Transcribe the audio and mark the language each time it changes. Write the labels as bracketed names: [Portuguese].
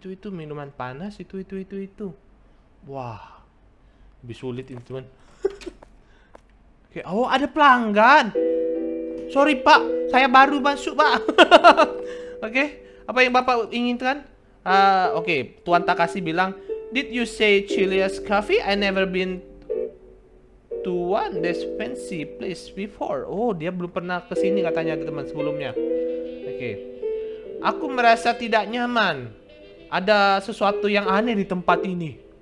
[Indonesian] Minuman panas, itu. Wah, lebih sulit ini, teman. Oke, okay. Oh, ada pelanggan. Sorry, Pak. Saya baru masuk, Pak. Oke, okay. Apa yang Bapak inginkan? Oke, okay. [English] Tuan Takashi bilang, "Did you say Chilias Coffee? I never been to one this fancy place before." [Indonesian] Oh, dia belum pernah ke sini katanya, teman, sebelumnya. Oke. Okay. Aku merasa tidak nyaman. Ada sesuatu yang aneh di tempat ini.